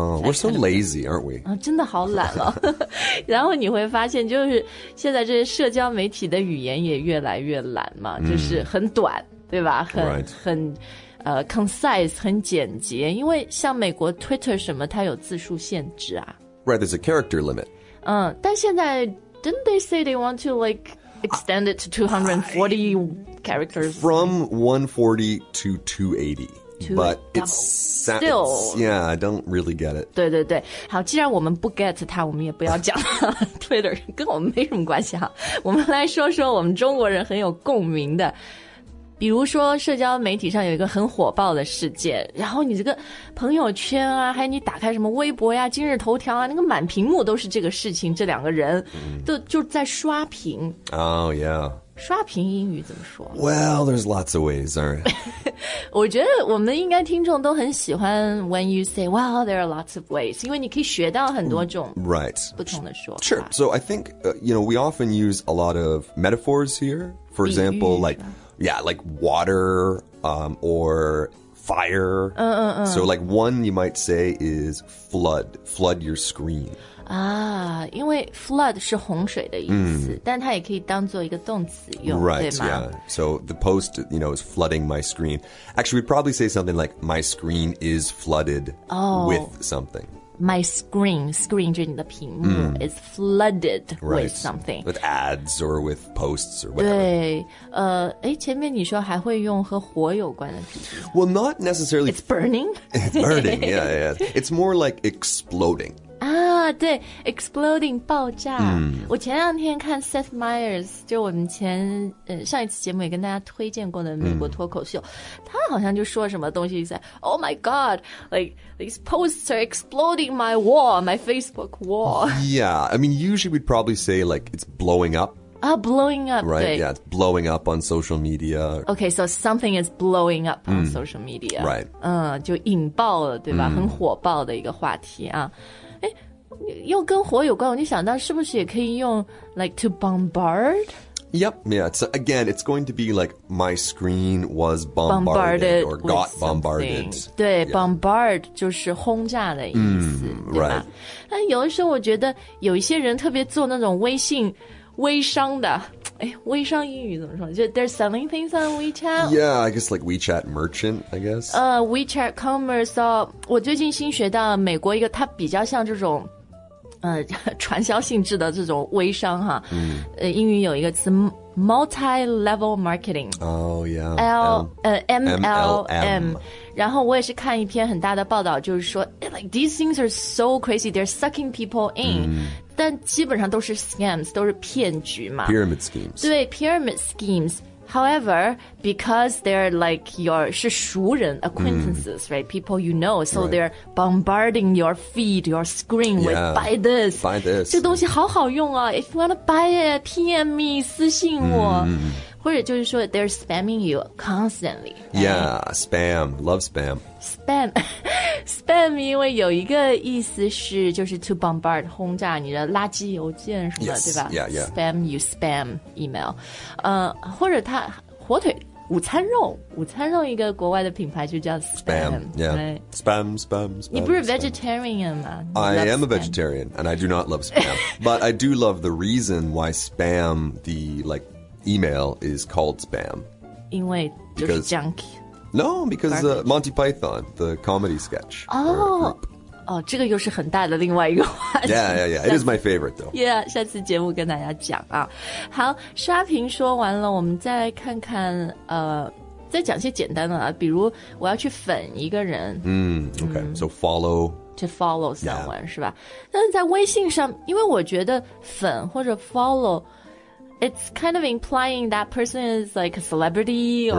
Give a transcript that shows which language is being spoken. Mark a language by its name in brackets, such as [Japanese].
[English] We're so lazy, aren't we? [Chinese] 真的好懒了。然后你会发现就是现在这些社交媒体的语言也越来越懒嘛、就是很短对吧很、很concise, 很简洁。因为像美国 Twitter 什么它有字数限制啊。 [English] Right, there's a character limit. 但现在 didn't they say they want to like... Extend it to 240 characters. From 140 to 280. But it's still. Yeah, I don't really get it. [Chinese] 对对对。好，既然我们不 get 它，我们也不要讲Twitter, 跟我们没什么关系哈。我们来说说我们中国人很有共鸣的。比如说社交媒体上有一个很火爆的事件然后你这个朋友圈啊还有你打开什么微博呀、今日头条啊那个满屏幕都是这个事情这两个人都就在刷屏。 [English] Oh, yeah. [Chinese] 刷屏英语怎么说 [English] Well, there's lots of ways, aren't there? [Chinese] 我觉得我们应该听众都很喜欢 [English] when you say, well, there are lots of ways, [Chinese] 因为你可以学到很多种不同的说法。 [English] Right. Sure. So I think, you know, we often use a lot of metaphors here. For example, like... Yeah, like water, or fire. So like one you might say is flood. Flood your screen. [Chinese] 因为 flood 是洪水的意思、但它也可以当做一个动词用 [English] Right, [Chinese] 对吗 [English] yeah. So the post, you know, is flooding my screen. Actually, we'd probably say something like, my screen is flooded、with something. My screen [Chinese] 就是你的屏幕、 [English] is flooded、 right. with something. With ads or with posts or whatever. [Chinese] 对、前面你说还会用和火有关的。 [English] Well, not necessarily. It's burning? It's burning, yeah, yeah. It's more like exploding. [Chinese] 对 exploding, 爆炸。我前两天看 Seth Meyers, 就我们前、上一次节目也跟大家推荐过的美国脱口秀、他好像就说什么东西 [English] He's like, Oh my god, like,These posts are exploding my wall, my Facebook wall. Yeah, I mean, usually we'd probably say, like, it's blowing up. Blowing up, right? Yeah, it's blowing up on social media. Okay, so something is blowing up on social media. Right. [Chinese] 就引爆了，对吧？很火爆的一个话题啊。又跟火有关，我就想到是不是也可以用 like, to bombard? [English] Yep, yeah. So again, it's going to be like my screen was bombarded, or got bombarded. [Chinese] 对、bombard 就是轰炸的意思、 [English] right. [Chinese] 对吧但有的时候我觉得有一些人特别做那种微信微商的微商英语怎么说就 [English] they're selling things on WeChat. Yeah, I guess like WeChat merchant, I guess. [Chinese] WeChat commerce.、我最近新学到美国一个它比较像这种传销性质的这种微商哈、英语有一个词 multi-level marketing [English] MLM [Chinese] 然后我也是看一篇很大的报道就是说 [English] like, these things are so crazy they're sucking people in、 [Chinese] 但基本上都是 scams 都是骗局嘛 [English] pyramid schemes 对 pyramid schemes however because they're like your [Chinese] 是熟人 [English] acquaintances、right people you know so、right. they're bombarding your feed your screen with、 yeah. buy this [Chinese] 这个东西好好用啊 [English] if you want to buy it PM me [Chinese] 私信我、或者就是说 [English] they're spamming you constantly yeah、spam love spam [Chinese] spam spam 因为有一个意思是就是 to bombard 轰炸你的垃圾邮件什么、 [English] yes. [Chinese] 对吧 [English] yeah, yeah. spam you spam email [Chinese] 或者他火腿午餐肉，午餐肉一个国外的品牌就叫 Spam, [English] yeah, right? Spam. [Chinese] 你不是 vegetarian 吗？ [English] I am a vegetarian, and I do not love Spam, but I do love the reason why Spam, the like email is called Spam. [Chinese] 因为就是 junk. [English] No, because Monty Python, the comedy sketch. [Chinese] Oh, 这个又是很大的另外一个话题。 [English] Yeah. It is my favorite, though. [Chinese] Yeah, 下次节目跟大家讲啊。好，刷屏说完了，我们再看看，再讲些简单的啊，比如我要去粉一个人。 [English] Okay, so follow. To follow someone, yeah. [Chinese] 是吧？但是在微信上，因为我觉得粉或者 [English] follow, it's kind of implying that person is like a celebrity or,